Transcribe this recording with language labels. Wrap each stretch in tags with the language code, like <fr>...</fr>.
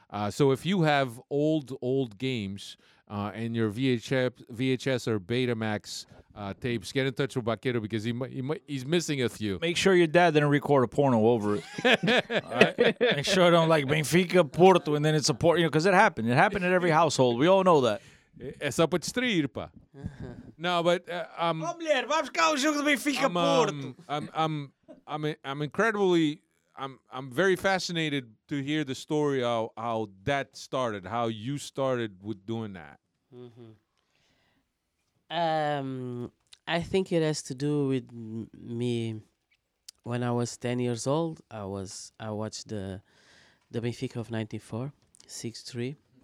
<en>So if you have old games and your VHS or Betamax tapes, get in touch with Baquero because he's missing a few. Make sure your dad didn't record a porno over it. All right? Make sure I don't like Benfica, Porto, and then it's a porno, you know, because it happened. It happened in every household. We all know that.</en> <pt>Essa pode destruir, pá.</pt> <en>No, but</en> <pt>mulher, vamos cá o jogo do Benfica, Porto.</pt> <en>I'm incredibly... I'm very fascinated to hear the story how that started, how you started with doing that. Mm-hmm. I think it has to do with me. When I was 10 years old, I watched the Benfica of 94, 6-3.</en>